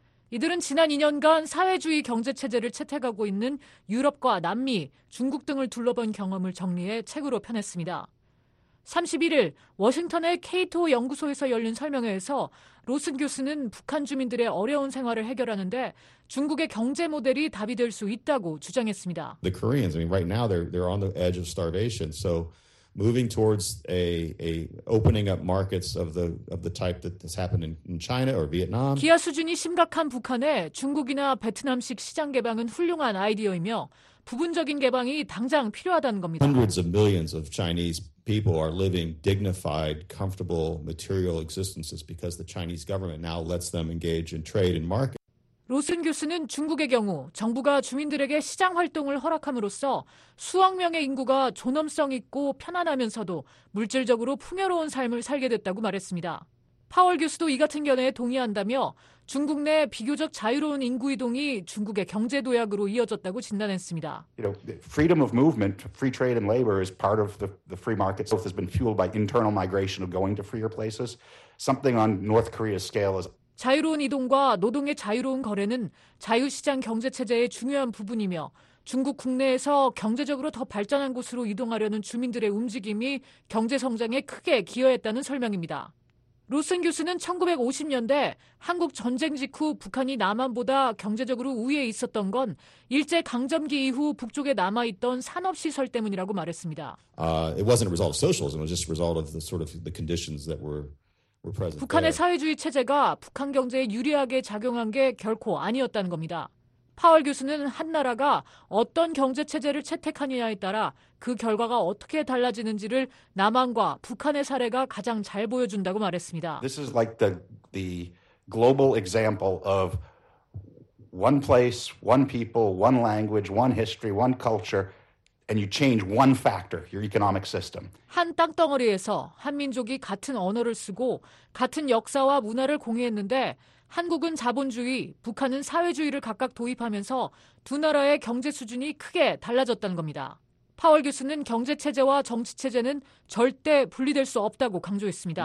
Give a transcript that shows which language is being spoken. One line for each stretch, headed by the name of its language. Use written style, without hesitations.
Korean: 이들은 지난 2년간 사회주의 경제체제를 채택하고 있는 유럽과 남미, 중국 등을 둘러본 경험을 정리해 책으로 펴냈습니다. 31일 워싱턴의 케이토 연구소에서 열린 설명회에서 로슨 교수는 북한 주민들의 어려운 생활을 해결하는데 중국의 경제 모델이 답이 될 수 있다고 주장했습니다.
English: The Koreans, I mean, right now they're on the edge of starvation. So moving towards a opening up markets of the type that has happened in China or Vietnam.
Korean: 기아 수준이 심각한 북한에 중국이나 베트남식 시장 개방은 훌륭한 아이디어이며 부분적인 개방이 당장 필요하다는 겁니다.
English: Hundreds of millions of Chinese people are living dignified, comfortable, material existences because the Chinese government now lets them engage in trade and market.
Korean: 로슨 교수는 중국의 경우 정부가 주민들에게 시장 활동을 허락함으로써 수억 명의 인구가 존엄성 있고 편안하면서도 물질적으로 풍요로운 삶을 살게 됐다고 말했습니다. 파월 교수도 이 같은 견해에 동의한다며 중국 내 비교적 자유로운 인구 이동이 중국의 경제 도약으로 이어졌다고 진단했습니다.
English: You know, freedom of movement, free trade and labor is part of the free market. So it has been fueled by internal migration of going to freer places. Something on North Korea's scale is
Korean: 자유로운 이동과 노동의 자유로운 거래는 자유시장 경제체제의 중요한 부분이며 중국 국내에서 경제적으로 더 발전한 곳으로 이동하려는 주민들의 움직임이 경제성장에 크게 기여했다는 설명입니다. 로슨 교수는 1950년대 한국 전쟁 직후 북한이 남한보다 경제적으로 우위에 있었던 건 일제 강점기 이후 북쪽에 남아 있던 산업 시설 때문이라고 말했습니다.
English: It wasn't a result of socialism, it was just a result of the sort of the conditions that were present.
Korean: 북한의 사회주의 체제가 북한 경제에 유리하게 작용한 게 결코 아니었다는 겁니다. 파월 교수는 한 나라가 어떤 경제 체제를 채택하느냐에 따라 그 결과가 어떻게 달라지는지를 남한과 북한의 사례가 가장 잘 보여준다고 말했습니다.
English: This is like the global example of one place, one people, one language, one history, one culture, and you change one factor, your economic system.
Korean: 한 땅덩어리에서 한 민족이 같은 언어를 쓰고 같은 역사와 문화를 공유했는데 한국은 자본주의, 북한은 사회주의를 각각 도입하면서 두 나라의 경제 수준이 크게 달라졌다는 겁니다. 파월 교수는 경제 체제와 정치 체제는 절대 분리될 수 없다고 강조했습니다.